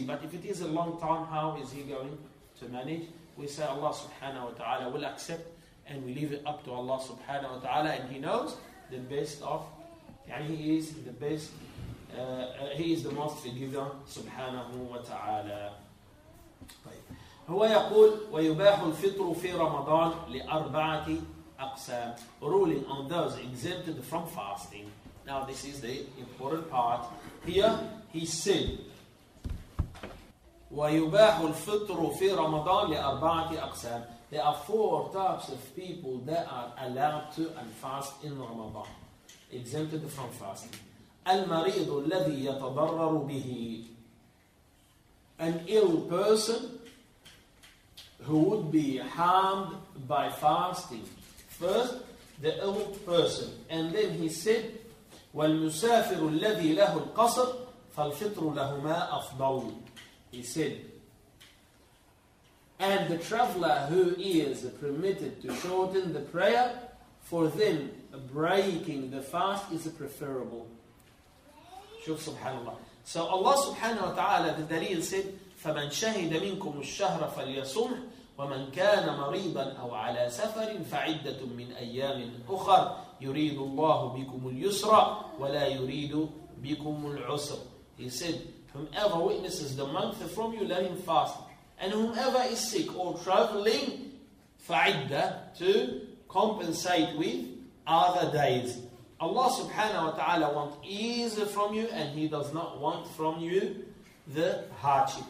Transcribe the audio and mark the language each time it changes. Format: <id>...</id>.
<en>But if it is a long time, how is he going to manage? We say Allah subhanahu wa ta'ala will accept, and we leave it up to Allah subhanahu wa ta'ala, and He knows the best of, and He is the best, He is the most forgiver subhanahu wa ta'ala.</en> <ar>هو يقول ويباح الفطر في رمضان لأربعة أقسام.</ar> <en>Ruling on those exempted from fasting. Now this is the important part. Here he said,</en> <ar>ويباح الفطر في رمضان لأربعة أقسام.</ar> <en>There are four types of people that are allowed to unfast in Ramadan, exempted from fasting.</en> <ar>المريض الذي يتضرر به.</ar> <en>An ill person who would be harmed by fasting. First, the ill person. And then he said,</en> <ar>والمسافر الذي له القصر فالفطر لهما أفضل.</ar> <en>He said, and the traveler who is permitted to shorten the prayer, for them breaking the fast is preferable.</en> <ar>شوف سبحان الله.</ar> <en>So Allah subhanahu wa ta'ala, the Dalil said,</en> <ar>فَمَنْ شَهِدَ مِنْكُمُ الشَّهْرَ فَلْيَصُمْهُ وَمَنْ كَانَ مَرِيضًا أَوْ عَلَى سَفَرٍ فَعِدَّةٌ مِنْ أَيَّامٍ أُخَرٍ يُرِيدُ اللَّهُ بِكُمُ الْيُسْرَ وَلَا يُرِيدُ بِكُمُ الْعُسْرَ.</ar> <en>He said, whomever witnesses the month from you, let him fast. And whomever is sick or traveling, فَعِدَّةٌ, to compensate with other days. Allah subhanahu wa ta'ala wants ease from you, and He does not want from you the hardship.</en>